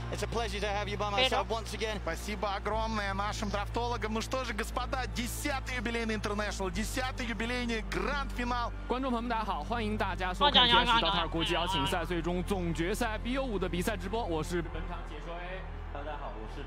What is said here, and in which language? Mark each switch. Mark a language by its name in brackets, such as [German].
[English] It's a pleasure to have you by my side once again. [Russian] Спасибо огромное нашим драфтологам. Ну что же, господа, 10-й юбилейный International, 10-й юбилейный Grand Final. [Chinese] 观众朋友们大家好, 欢迎大家收看电视Dota国际邀请赛, 最终总决赛 BO5 的比赛直播, 我是本场解说A。